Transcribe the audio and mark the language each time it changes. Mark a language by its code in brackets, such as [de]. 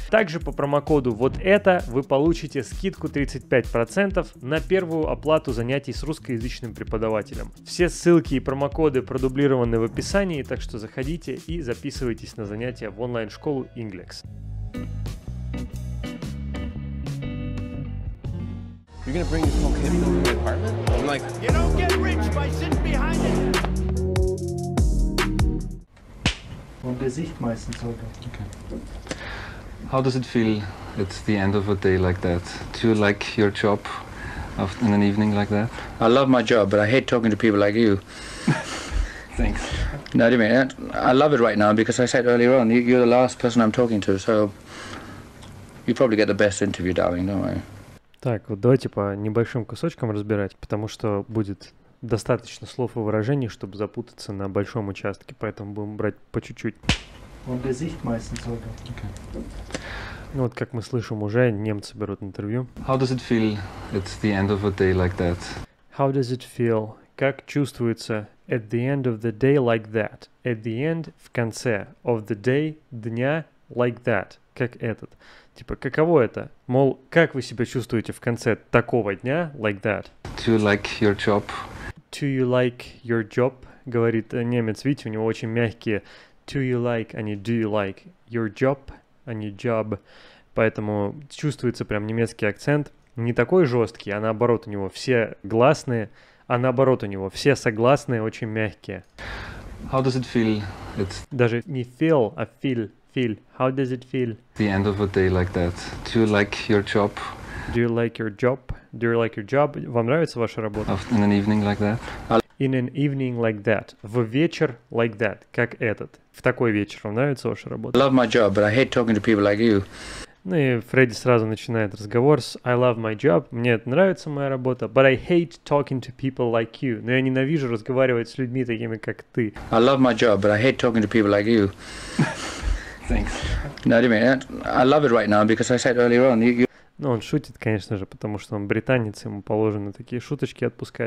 [ru] Также по промокоду вот это вы получите скидку 35% на первую оплату занятий с русскоязычным преподавателем. Все ссылки и промокоды продублированы в описании, так что заходите и записывайтесь на занятия в онлайн-школу Inglix. [en] You're gonna bring this whole kid into your apartment? I'm like, you don't get rich by sitting behind it. [de] Und Gesicht meistens heute. [en] Okay. How does it feel at the end of a day like that? Do you like your job in an evening like that? I love my job, but I hate talking to people like you. Thanks. No, do you mean it? I love it right now because I said earlier on, you're the last person I'm talking to, so you probably get the best interview, darling, don't worry. [ru] Так, вот давайте по небольшим кусочкам разбирать, потому что будет достаточно слов и выражений, чтобы запутаться на большом участке, поэтому будем брать по чуть-чуть. [de] Und Gesicht meistens heute. [ru] Ну вот, как мы слышим, уже немцы берут интервью. [en] How does it feel at the end of a day like that? How does it feel? [ru] Как чувствуется [en] at the end of the day like that? At the end, [ru] в конце, [en] of the day, [ru] дня, [en] like that, [ru] как этот. Типа, каково это? Мол, как вы себя чувствуете в конце такого дня, [en] like that? Do you like your job? Do you like your job? [ru] Говорит немец, видите, у него очень мягкие [en] do you like, [ru] а не [en] do you like your job, [ru] а не job. Поэтому чувствуется прям немецкий акцент. Не такой жесткий, а наоборот, у него все гласные, а наоборот, у него все согласные очень мягкие. [en] How does it feel? It's... [ru] Даже не [en] feel, а feel. Feel. How does it feel? The end of a day like that. Do you like your job? Do you like your job? Do you like your job? [ru] Вам нравится ваша работа? [en] In an evening like that. In an evening like that. [ru] В вечер [en] like that. [ru] Как этот. В такой вечер. Вам нравится ваша работа? [en] I love my job, but I hate talking to people like you. [ru] Ну и Фредди сразу начинает разговор с [en] I love my job. [ru] Мне нравится моя работа. [en] But I hate talking to people like you. [ru] Но я ненавижу разговаривать с людьми такими, как ты. [en] I love my job, but I hate talking to people like you. Thanks. No, do you mean it? I love it right now because I said earlier on. [ru] Ну, он шутит, конечно же, потому что он британец, ему положено такие шуточки отпускать.